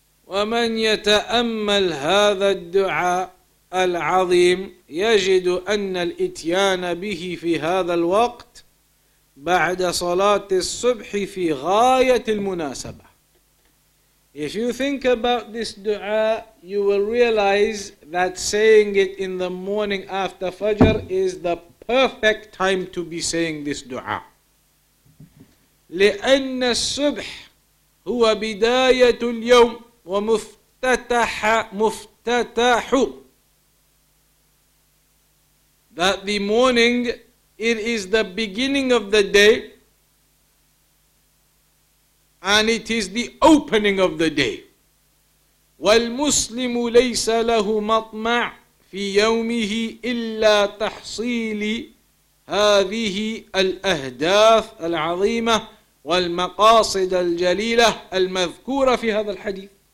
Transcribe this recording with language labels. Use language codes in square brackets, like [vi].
[ar] ومن يتأمل هذا الدعاء العظيم يجد أن الإتيان به في هذا الوقت بعد صلاة الصبح في غاية المناسبة. [en] If you think about this dua, you will realize that saying it in the morning after Fajr is the perfect time to be saying this dua. [ar] لأن الصبح هو بداية اليوم وَمُفْتَتَحُ. [en] That the morning, it is the beginning of the day, and it is the opening of the day. [ar] وَالْمُسْلِمُ لَيْسَ لَهُ مَطْمَعُ فِي يَوْمِهِ إِلَّا تَحْصِيلِ هَذِهِ الْأَهْدَافِ الْعَظِيمَةِ وَالْمَقَاصِدَ الْجَلِيلَةِ الْمَذْكُورَ فِي هَذَا الْحَدِيثِ.